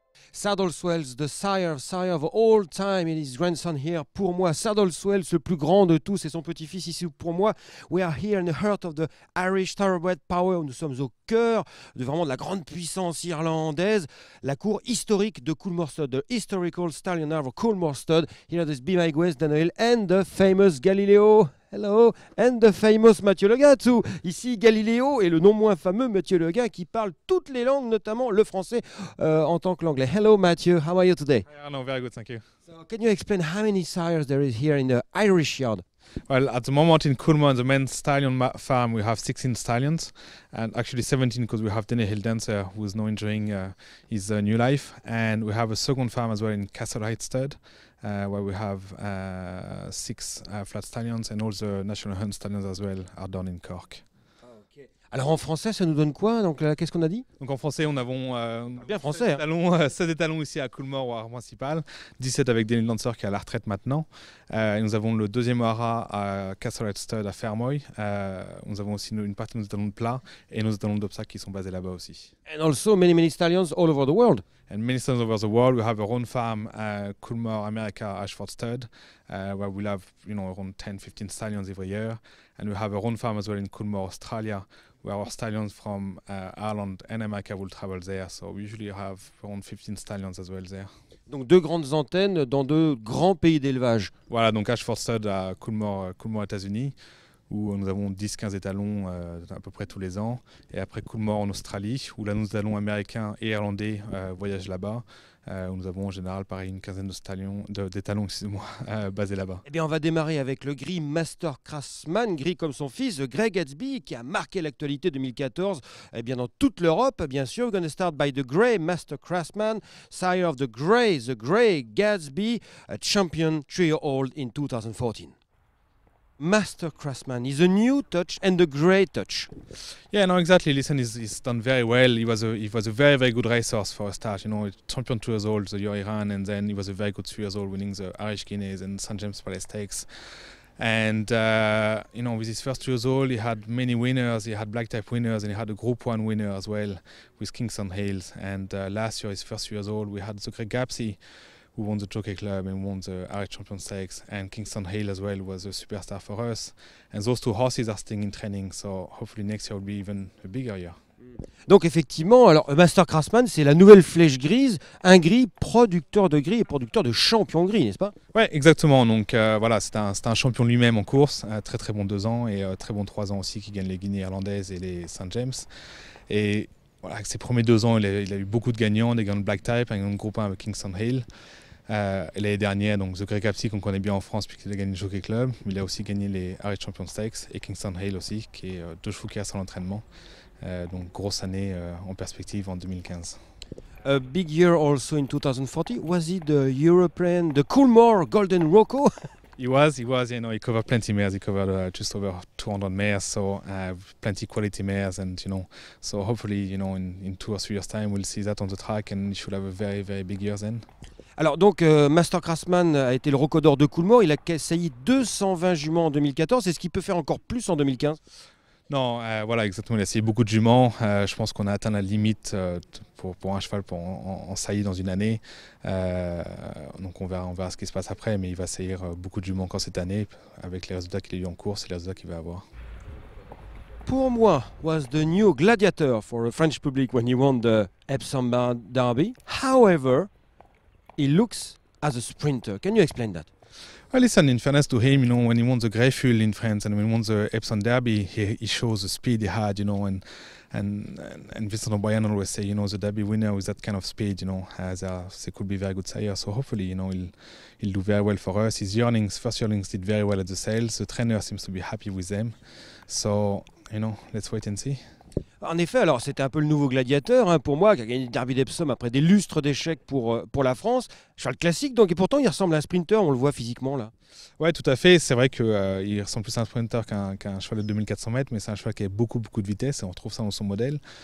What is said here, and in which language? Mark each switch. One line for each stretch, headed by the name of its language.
English: Saddleswells, the sire of all time, and his grandson here, pour moi.
French: Saddleswells, le plus grand de tous, et son petit-fils ici, pour moi.
English: We are here in the heart of the Irish thoroughbred power.
French: Nous sommes au cœur de vraiment de la grande puissance irlandaise. La cour historique de Coolmore Stud,
English: the historical stallion of Coolmore Stud. Here is Be My Guest, Dan O'Hill, and the famous Galileo. Hello, and the famous Mathieu Legat too.
French: Ici Galileo et le non moins fameux Mathieu Legat qui parle toutes les langues, notamment le français en tant que l'anglais.
English: Hello Mathieu, how are you today? Hi Arno, very good, thank you. So can you explain how many sires there is here in the Irish yard? Well, at the moment in Coolmore, the main stallion farm, we have 16 stallions, and actually 17 because we have Denny Hill Dancer, who is now enjoying his new life. And we have a second farm as well in Castlehight Stud, where we have six flat stallions, and all the national hunt stallions as well are done in Cork.
French: Alors en français, ça nous donne quoi? Donc qu'est-ce qu'on a dit? Donc en français, on a bien français. 16 étalons ici à Coolmore, au haras principal, 17 avec Denny Lancer qui est à la retraite maintenant. Nous avons le deuxième haras à Castlehight Stud à Fermoy. Nous avons aussi une partie de nos étalons de plat et nos étalons d'obstacles qui sont basés là-bas aussi.
English: And also many, many stallions all over the world. And many stallions over the world. We have our own farm, Coolmore America Ashford Stud, where we have, you know, around 10-15 stallions every year. And we have our own farm as well in Coolmore, Australia, where our stallions from Ireland and America will travel there. So we usually have around 15 stallions as well there.
French: Donc deux grandes antennes dans deux grands pays d'élevage. Voilà, donc Ashford Stud à Coolmore, États-Unis, où nous avons 10-15 étalons à peu près tous les ans. Et après Coolmore en Australie, où là nous allons américains et irlandais voyagent là-bas. Où nous avons en général pareil une quinzaine d'étalons basés là-bas. Eh bien, on va démarrer avec le gris Master Craftsman, gris comme son fils Greg Gatsby, qui a marqué l'actualité 2014. Eh bien, dans toute l'Europe, bien sûr.
English: We're gonna start by the gray Master Craftsman, sire of the gray Gatsby, a champion three-year-old in 2014. Master Craftsman is a new touch and a great touch. Yeah, no, exactly. Listen, he's done very well. He was a very, very good racehorse for a start. You know, champion 2 years old the year he ran, and then he was a very good 3 years old winning the Irish Guineas and St. James Palace Stakes. And, you know, with his first 2 years old, he had many winners. He had black type winners and he had a Group 1 winner as well with Kingston Hales. And last year, his first 2 years old, we had the Greg Gapsy, who won the Jockey Club and won the Irish Champion Stakes, and Kingston Hale as well was a superstar for us. And those two horses are staying in training, so hopefully next year will be even a bigger year.
French: Donc effectivement, alors Master Craftsman, c'est la nouvelle flèche grise, un gris producteur de gris et producteur de champion gris, n'est-ce pas? Oui, exactement. Donc voilà, c'est un champion lui-même en course, très très bon 2 ans et très bon 3 ans aussi, qui gagne les Guinées irlandaises et les St. James. Et voilà, avec ses premiers 2 ans, il a eu beaucoup de gagnants, des gagnants de Black Type, un groupe 1 avec Kingston Hale. L'année dernière, donc The Greg Gapsy, qu'on connaît bien en France, puisqu'il a gagné le Jockey Club, mais il a aussi gagné les Irish Champion Stakes et Kingston Hale aussi, qui est deux chevaux qui restent à l'entraînement. Donc grosse année en perspective en 2015.
English: A big year also in 2040. Was it the European, the Coolmore Golden Rocco? He was, you know, he covered plenty mares, he covered just over 200 mares, so plenty quality mares, and you know, so hopefully, you know, in 2 or 3 years time, we'll see that on the track, and he should have a very, very big year then.
French: Alors donc, Master Craftsman a été le record d'or de Coolmore, il a saillé 220 juments en 2014, est-ce qu'il peut faire encore plus en 2015? Non, voilà, exactement, il a essayé beaucoup de juments. Je pense qu'on a atteint la limite pour un cheval en saillie dans une année. Donc on verra ce qui se passe après, mais il va saillir beaucoup de juments encore cette année avec les résultats qu'il a eu en course et les résultats qu'il va avoir.
English: Pour moi, was the new gladiator for the French public when he won the Epsom Derby. However, he looks as a sprinter. Can you explain that? Well, listen, in fairness to him, you know, when he won the Greyfield in France and when he won the Epsom Derby, he shows the speed he had, you know, and Vincent O'Brien always say, you know, the Derby winner with that kind of speed, you know, they could be very good sire. So hopefully, you know, he'll do very well for us. His first yearlings did very well at the sales. The trainer seems to be happy with them. So, you know, let's wait and see.
French: En effet, alors c'était un peu le nouveau gladiateur hein, pour moi, qui a gagné le Derby d'Epsom après des lustres d'échecs pour la France. Cheval classique, donc, et pourtant il ressemble à un sprinter, on le voit physiquement là. Oui, tout à fait, c'est vrai qu'il ressemble plus à un sprinter qu'un cheval de 2400 mètres, mais c'est un cheval qui a beaucoup de vitesse, et on retrouve ça dans son modèle.